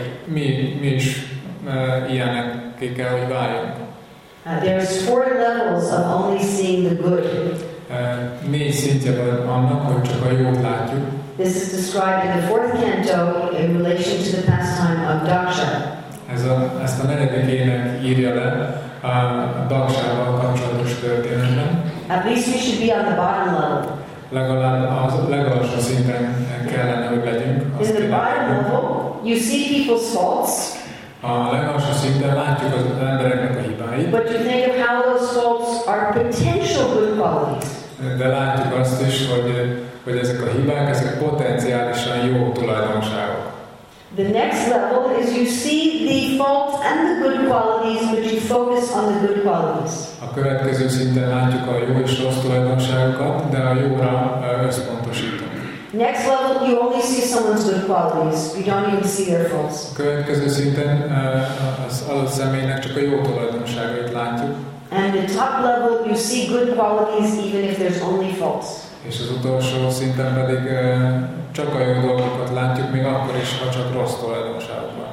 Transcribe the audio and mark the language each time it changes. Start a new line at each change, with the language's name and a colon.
Hungarian: Mi is ilyeneké kell, hogy váljunk.
English: There's four levels of only seeing the good.
Hungarian: Négy szintje van annak, hogy csak a jót látjuk.
English: This is described in the fourth canto in relation to the pastime of daksha.
Hungarian: Ezt a negyedik ének írja le a daksával kapcsolatos történetben.
English: At least we should be on the bottom level.
Hungarian: Legalább a szinten kellene, hogy legyünk.
English: In the bottom level, you see people's faults.
Hungarian: A legalsó szinten látjuk az embereknek a hibáit.
English: But you think of how those faults are potential good qualities.
Hungarian: De látjuk azt is, hogy ezek a hibák, ezek potenciálisan jó tulajdonságok.
English: The next level is you see the faults and the good qualities, but you focus on the good qualities.
Hungarian: A következő szinten látjuk a jó és rossz tulajdonságokat, de a jóra összpontosítunk.
English: Next level, you only see someone's good qualities. You don't even see their faults.
Hungarian: Következő szinten az adott személynek csak a jó tulajdonságait látjuk.
English: And the top level, you see good qualities even if there's only faults.
Hungarian: És az utolsó szinten pedig csak a jó dolgokat látjuk, még akkor is, ha csak rossz tulajdonságok